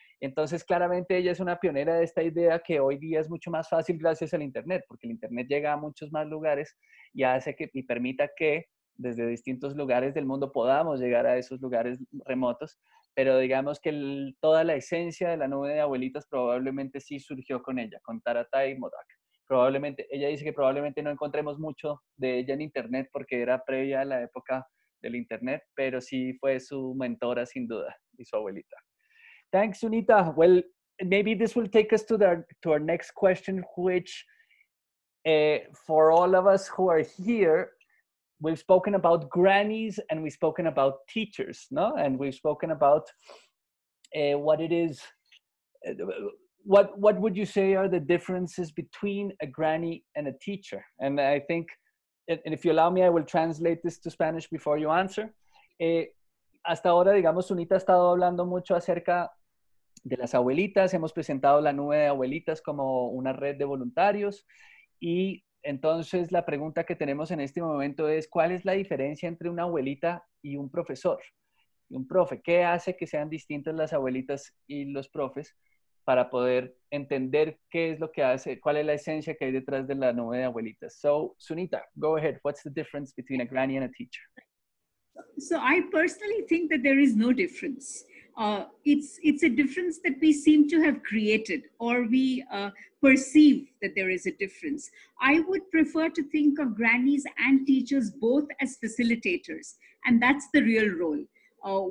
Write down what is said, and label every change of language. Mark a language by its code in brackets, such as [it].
[es] Entonces claramente ella es una pionera de esta idea que hoy día es mucho más fácil gracias al internet, porque el internet llega a muchos más lugares y hace que y permita que desde distintos lugares del mundo podamos llegar a esos lugares remotos, pero digamos que toda la esencia de la nube de abuelitas probablemente sí surgió con ella, con Taratai Modak. Probablemente, ella dice que probablemente no encontremos mucho de ella en internet porque era previa a la época del internet, pero sí fue su mentora sin duda y su abuelita. [en] Thanks, Sunita. Well, maybe this will take us to our next question, which for all of us who are here, we've spoken about grannies and we've spoken about teachers, no? And we've spoken about what it is, what would you say are the differences between a granny and a teacher? And I think, and if you allow me, I will translate this to Spanish before you answer. [es] Hasta ahora, digamos, Sunita ha estado hablando mucho acerca de las abuelitas. Hemos presentado la nube de abuelitas como una red de voluntarios y entonces, la pregunta que tenemos en este momento es, ¿cuál es la diferencia entre una abuelita y un profesor? Y un profe, ¿qué hace que sean distintas las abuelitas y los profes? para poder entender qué es lo que hace, cuál es la esencia que hay detrás de la nube de abuelitas. [en] So, Sunita, go ahead. What's the difference between a granny and a teacher? So, I personally think that there is no difference. It's a difference that we seem to have created, or we perceive that there is a difference. I would prefer to think of grannies and teachers both as facilitators, and that's the real role.